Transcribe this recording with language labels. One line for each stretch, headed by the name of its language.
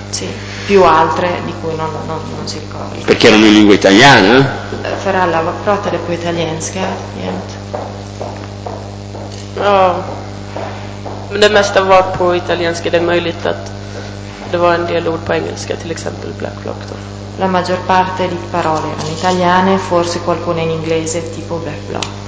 Italian: Sì, più altre di cui non si ricorda. Perché erano in lingua italiana? Farà la prota le più italienske, niente.
Swedish: Ja, men det mesta var på italienska. Det är möjligt att det var en del ord på engelska, till exempel Black Block då.
Italian: La maggior parte di parole erano italiane, forse qualcuna in inglese, tipo Black Block.